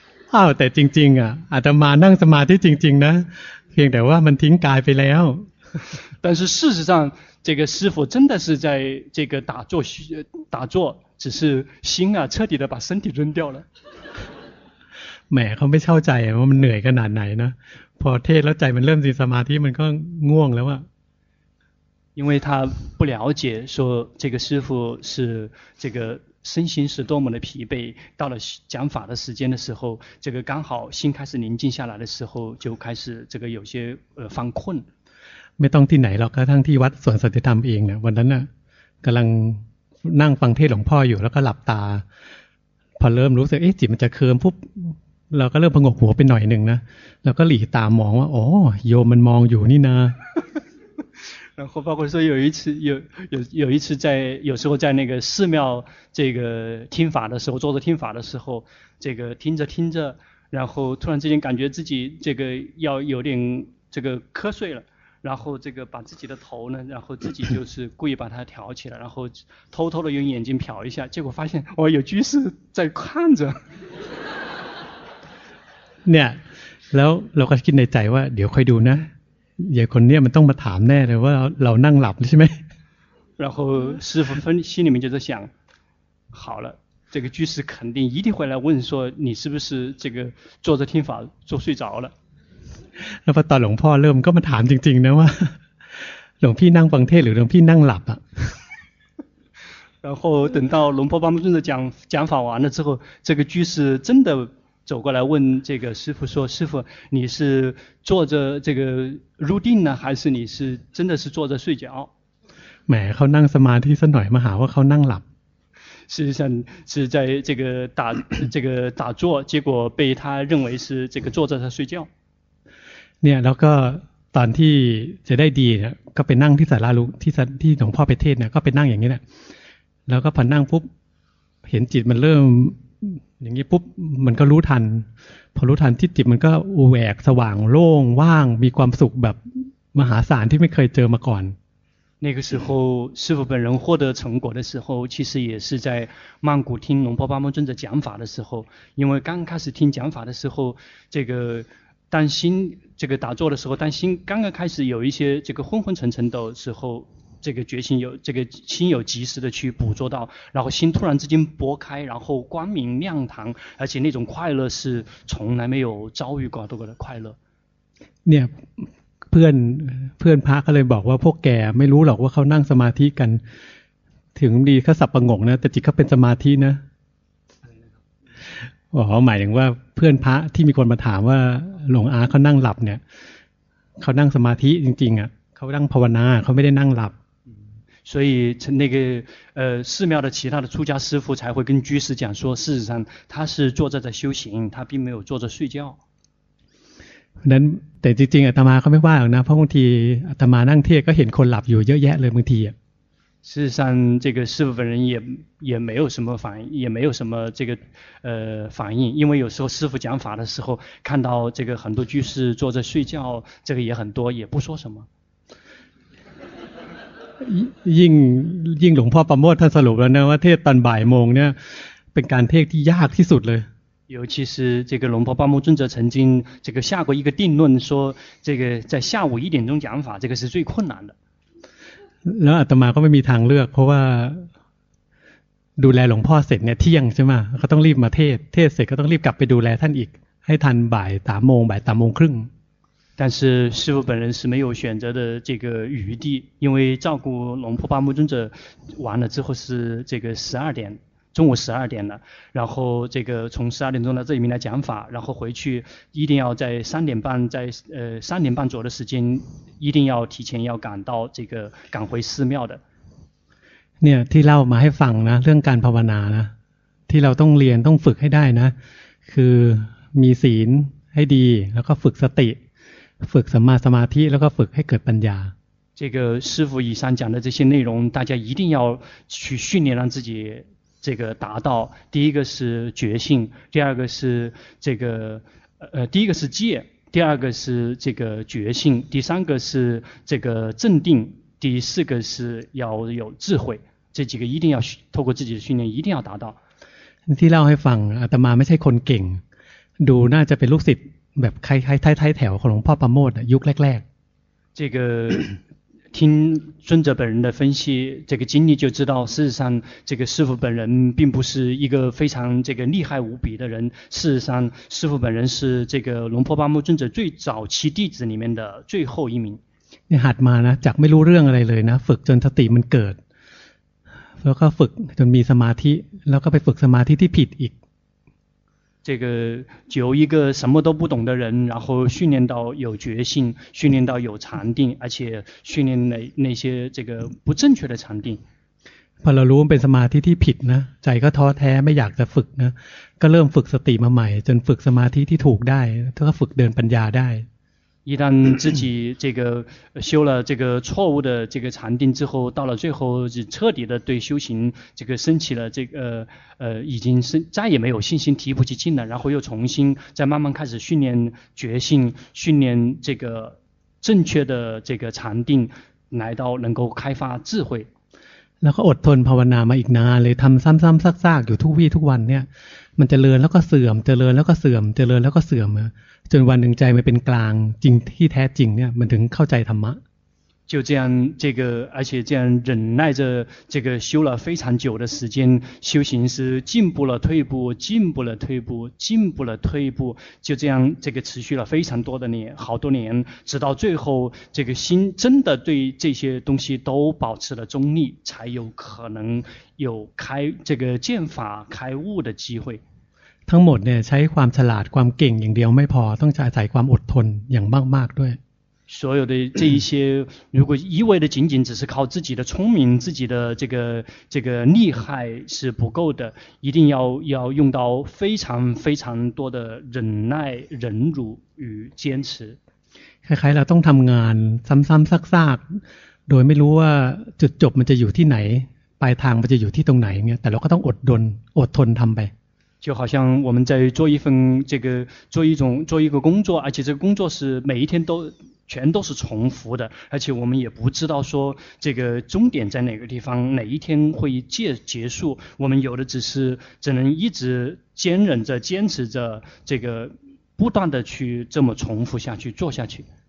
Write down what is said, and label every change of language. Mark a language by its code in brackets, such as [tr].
[th] อ้าวแต่จริงๆอ่ะอาตมานั่งสมาธิจริงๆนะเพียงแต่ว่ามันทิ้งกายไปแล้ว [zh] 但是事实上这个师父真的是在这个打坐只是心啊彻底的把身体扔掉了 [th] แหมเขาไม่เข้าใจว่ามันเหนื่อยขนาดไหนนะพอเทศแล้วใจมันเริ่มสิสมาธิมันก็ง่วงแล้วอ่ะ [zh] 因为他不了解说这个师父是这个身心是多么的疲惫，到了讲法的时间的时候，这个刚好心开始宁静下来的时候，就开始这个有些犯困。 [th] ไม่ต้องที่ไหนหรอกกระทั่งที่วัดสวนสัจธรรมเองเนี่ยวันนั้นน่ะกำลังนั่งฟังเทศหลวงพ่ออยู่แล้วก็หลับตาพอเริ่มรู้สึกเอ๊ะจิตมันจะเคลิ้มปุ๊บเราก็เริ่มผงกหัวไปหน่อยนึงนะแล้วก็หลีตามองว่าอ๋อโยมมันมองอยู่นี่นะ [zh] 然后包括说有一次在有时候在那个寺庙这个听法的时候坐着听法的时候这个听着然后突然之间感觉自己这个要有点这个瞌睡了然后这个把自己的头呢然后自己就是故意把它挑起来然后偷偷的用眼睛瞟一下结果发现我有居士在看着 [th] เนี่ยแล้วเราก็คิดในใจว่าเดี๋ยวค่อยดูนะยายคนนี้มันต้องมาถามแน่เลยว่าเรานั่งหลับใช่ไหม [zh] 然后师父分心里面就在想好了这个居士肯定一定会来问说你是不是这个坐着听法坐睡着了 [th] แล้วพอตอนหลวงพ่อเริ่มก็มาถามจริงๆนะว่าหลวงพี่นั่งฟังเทศหรือหลวงพี่นั่งหลับอ่ะ [zh] 然后等到龙婆帮正在讲法完了之后这个居士真的走过来问这个师父说师父你是坐着这个入定呢还是你是真的是坐着睡觉 [th] แหมเขานั่งสมาธิสักหน่อยมาหาว่าเขานั่งหลับ [zh] 事实上是在这个打这个打坐结果被他认为是这个坐着在睡觉 [th] เนี่ยแล้วก็ตอนที่จะได้ดีเนี่ยก็ไปนั่งที่ศาลาลุที่หลวงพ่อไปเทศเนี่ยก็ไปนั่งอย่างนี้แหละแล้วก็พอนั่งปุ๊บเห็นจิตมันเริ่มอย่างนี้ปุ๊บมันก็รู้ทันพอรู้ทันที่จิตมันก็แหวกสว่างโล่งว่างมีความสุขแบบมหาศาลที่ไม่เคยเจอมาก่อน [zh] 那个时候师父本人获得成果的时候其实也是在曼谷听龙婆巴蒙尊者讲法的时候因为刚开始听讲法的时候这个当心这个打坐的时候当心刚刚开始有一些这个昏昏沉沉的时候这个决心有这个心有及时的去捕捉到然后心突然之间拨开然后光明亮堂而且那种快乐是从来没有遭遇过的快乐 [th] เนี่ยเพื่อนพระก็เลยบอกว่าพวกแกไม่รู้หรอกว่าเขานั่งสมาธิกันถึงดีเขาสับประงงนะแต่จิตเขาเป็นสมาธินะหมายถึงว่าเพื่อนพระที่มีคนมาถามว่าหลวงอาเขานั่งหลับเนี่ยเขานั่งสมาธิจริงๆอ่ะเขานั่งภาวนาเขาไม่ได้นั่งหลับ [zh] 所以那个寺庙的其他的出家师父才会跟居士讲说事实上他是坐着在修行他并没有坐着睡觉 [th] นั้นแต่จริงๆอาตมาเขาไม่ว่าหรอกนะเพราะบางทีอาตมานั่งเทศก็เห็นคนหลับอยู่เยอะแยะเลยบางทีอ่ะ [zh] 事实上这个师父本人也没有什么反应也没有什么这个反应因为有时候师父讲法的时候看到这个很多居士坐着睡觉这个也很多也不说什么 [th] ยิ่งหลวงพ่อประโมทท่านสรุปแล้วนะว่าเทศตอนบ่ายโมงเนี่ยเป็นการเทศที่ยากที่สุดเลย [zh] 尤其是这个龙婆巴木尊者曾经这个下过一个定论说这个在下午一点钟讲法这个是最困难的 [th] แล้วอาตมาก็ไม่มีทางเลือกเพราะว่าดูแลหลวงพ่อเสร็จเนี่ยเที่ยงใช่ไหมก็ต้องรีบมาเทศเสร็จก็ต้องรีบกลับไปดูแลท่านอีกให้ทันบ่ายสามโมงบ่ายสามโมงครึ่ง [zh] 但是师父本人是没有选择的这个余地因为照顾龙婆巴木尊者完了之后是这个十二点中午十二点了然后这个从十二点钟到这里面来讲法然后回去一定要在三点半左右的时间一定要提前要赶到这个赶回寺庙的 [th] เนี่ยที่เล่ามาให้ฟังนะเรื่องการภาวนานะที่เราต้องเรียนต้องฝึกให้ได้นะคือมีศีลให้ดีแล้วก็ฝึกสติฝึกสัมมาสมาธิแล้วก็ฝึกให้เกิดปัญญา [zh] 这个师父以上讲的这些内容大家一定要去训练让自己这个达到第一个是觉性第二个是这个第一个是戒第二个是这个觉性，第三个是这个镇定，第四个是要有智慧，这几个一定要透过自己的训练一定要达到。 [th] ที่เล่าให้ฟังอาตมาไม่ใช่คนเก่งดูน่าจะเป็นลูกศิษย์แบบคล้ายๆท้ายๆแถวของหลวงพ่อประโมทยุคแรก [zh] ๆ这个听尊者本人的分析这个经历就知道事实上这个师父本人并不是一个非常这个厉害无比的人事实上师父本人是这个龙婆巴木尊者最早期弟子里面的最后一名你 [th] หัดมานะจากไม่รู้เรื่องอะไรเลยนะฝึกจนสติมันเกิดแล้วก็ฝึกจนมีสมาธิแล้วก็ไปฝึกสมาธิที่ผิดอีก [zh] 这个由一个什么都不懂的人然后训练到有觉性训练到有禅定而且训练 那些这个不正确的禅定 [th] พอเรารู้เป็นสมาธิที่ผิดนะใจก็ท้อแท้ไม่อยากจะฝึกนะก็เริ่มฝึกสติมาใหม่จนฝึกสมาธิที่ถูกได้แล้วก็ฝึกเดินปัญญาได้ [zh] 一旦自己这个修了这个错误的这个禅定之后到了最后是彻底的对修行这个升起了这个已经是再也没有信心提不起劲了然后又重新再慢慢开始训练觉性训练这个正确的这个禅定来到能够开发智慧然后 [th] อดทนภาวนามาอีกนานเลยทำซ้ำๆซากๆอยู่ทุกวี่ทุกวันเนี่ยมันจะเริญแล้วก็เสื่อมจะเริญแล้วก็เสื่อมจะเริญแล้วก็เสื่อมจนวันหนึ่งใจมันเป็นกลางจริงที่แท้จริงเนี่ยมันถึงเข้าใจธรรมะ [zh] 就这样这个而且这样忍耐着这个修了非常久的时间修行是进步了退步进步了退步进步了退步就这样这个持续了非常多的年好多年直到最后这个心真的对这些东西都保持了中立才有可能有开这个见法开悟的机会 [th] ทั้งหมดเนี่ยใช้ความฉลาดความเก่งอย่างเดียวไม่พอต้องใช้ความอดทนอย่างมากๆด้วย [zh] 所有的这一些如果一味的仅仅只是靠自己的聪明自己的这个厉害是不够的一定要用到非常非常多的忍耐忍辱与坚持 [th] คล้ายๆเราต้องทำงานซ้ำๆซากๆโดยไม่รู้ว่าจุดจบมันจะอยู่ที่ไหนปลายทางมันจะอยู่ที่ตรงไหนเนี่ยแต่เราก็ต้องอดทนอดทนทำไป [zh] 就好像我们在做一份这个做一种做一个工作而且这个工作是每一天都全都是重复的而且我们也不知道说这个终点在哪个地方哪一天会结束我们有的只是只能一直坚忍着坚持着这个不断的去这么重复下去做下去